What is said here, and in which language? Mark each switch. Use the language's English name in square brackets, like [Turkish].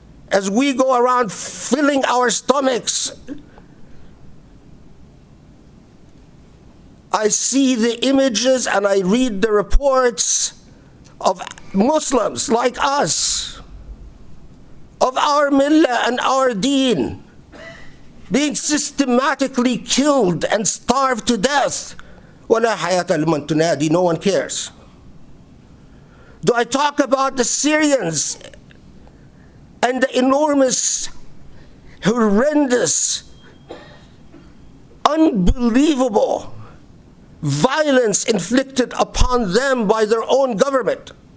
[English] As we go around filling our stomachs, I see the images and I read the reports of Muslims like us, of our millah and our deen, being systematically killed and starved to death. [Arabic] وَلَا حَيَاةَ لِمَنْ تُنَادِي, [English] no one cares. Do I talk about the Syrians and the enormous, horrendous, unbelievable violence inflicted upon them by their own government?